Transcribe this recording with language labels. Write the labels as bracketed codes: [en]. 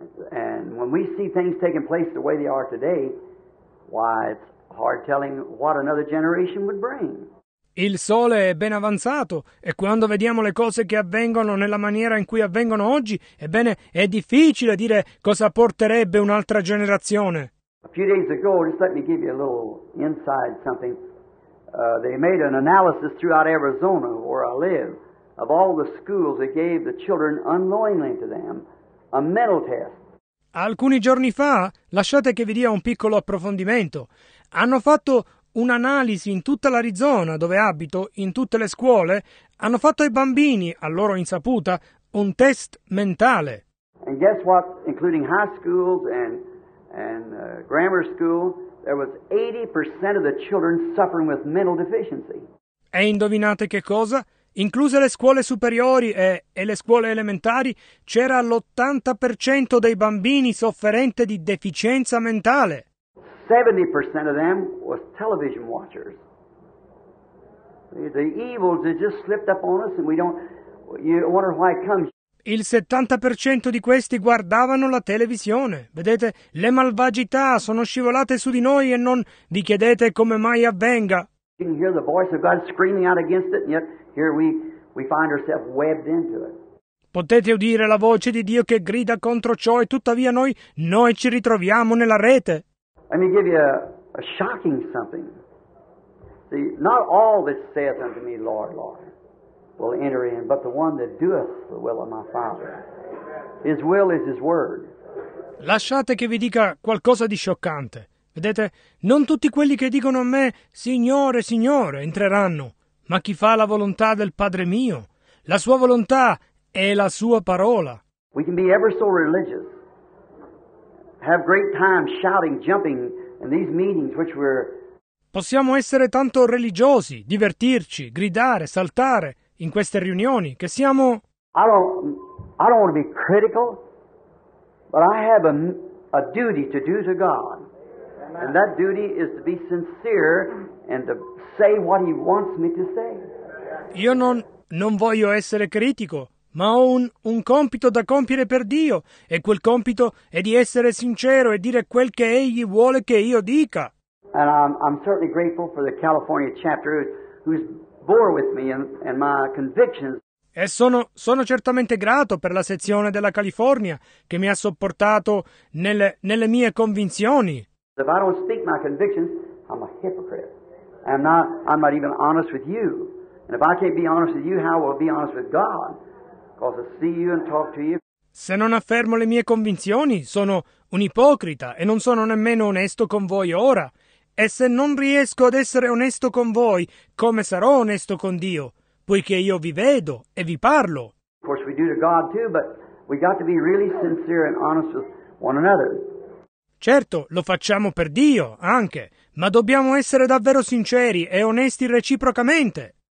[en] And when we see things taking place the way they are today, why, it's hard telling what another generation would bring. [it] Il sole è ben avanzato e quando vediamo le cose che avvengono nella maniera in cui avvengono oggi, ebbene, è difficile dire cosa porterebbe un'altra generazione. [en] A few days ago, just let me give you a little inside something. They made an analysis throughout Arizona, where I live, of all the schools that gave the children unknowingly to them a mental test. [it] Alcuni giorni fa, lasciate che vi dia un piccolo approfondimento. Hanno fatto un'analisi in tutta l'Arizona, dove abito, in tutte le scuole, hanno fatto ai bambini, a loro insaputa, un test mentale. [en] And guess what, including high schools and grammar school, there was 80% of the children suffering with mental deficiency. [it] E indovinate che cosa? Incluse le scuole superiori e le scuole elementari, c'era l'80% dei bambini sofferente di deficienza mentale. [en] 70% of them was television watchers. The evils that just slipped up on us and you wonder why it comes. [it] Il 70% di questi guardavano la televisione. Vedete, le malvagità sono scivolate su di noi e non vi chiedete come mai avvenga. [en] You can hear the voice of God screaming out against it, and yet here we find ourselves webbed into it. [it] Potete udire la voce di Dio che grida contro ciò e tuttavia noi ci ritroviamo nella rete. [en] Let me give you a shocking something. See, not all that saith unto me, Lord, Lord, will enter in, but the one that doeth the will of my Father. His will is His word. [it] Lasciate che vi dica qualcosa di scioccante. Vedete, non tutti quelli che dicono a me, Signore, Signore, entreranno, ma chi fa la volontà del Padre mio. La sua volontà è la sua parola. [en] We can be ever so religious, have great time shouting, jumping in these meetings which we're... [it] Possiamo essere tanto religiosi, divertirci, gridare, saltare, in queste riunioni, che siamo... [en] I don't want to be critical, but I have a duty to do to God. And that duty is to be sincere and to say what He wants me to say. [it] Io non voglio essere critico, ma ho un compito da compiere per Dio, e quel compito è di essere sincero e dire quel che Egli vuole che io dica. [en] And I'm certainly grateful for the California chapter who's bore with me and my convictions. [it] E sono certamente grato per la sezione della California che mi ha sopportato nelle mie convinzioni. [en] If I don't speak my convictions, I'm a hypocrite. I'm not even honest with you. And if I can't be honest with you, how will I be honest with God? Because I see you and talk to you. [it] Se non affermo le mie convinzioni, sono un ipocrita e non sono nemmeno onesto con voi ora. E se non riesco ad essere onesto con voi, come sarò onesto con Dio? Poiché io vi vedo e vi parlo. [en] Of course we do to God too, but we got to be really sincere and honest with one another. [it] Certo, lo facciamo per Dio anche, ma dobbiamo essere davvero sinceri e onesti reciprocamente.